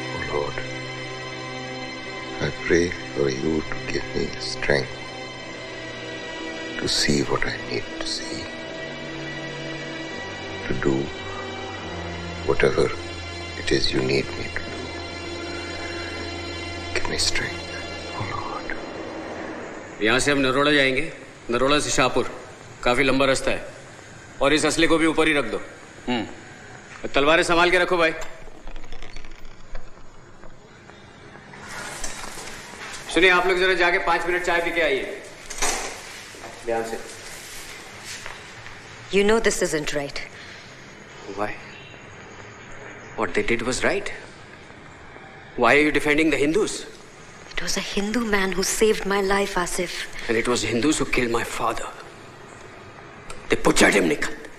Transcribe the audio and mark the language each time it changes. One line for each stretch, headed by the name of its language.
English: Oh Lord, I pray for you to give me strength to see what I need to see, to do whatever it is you need me to do. Give me strength, oh Lord.
Hindi: यहाँ से हम नरोड़ा जाएंगे, नरोड़ा से शाहपुर, काफी लंबा रास्ता है, और इस असली को भी ऊपर ही रख दो। तलवारें संभाल के रखो भाई। सुनिए आप लोग जरा जाके 5 मिनट चाय पी के आइए। ध्यान से।
English: You know this isn't right. Why? What they did was right. Why are you defending the Hindus? It was a Hindu man who saved my life, Asif. And it was Hindus who killed my father. They butchered him, Nikhil.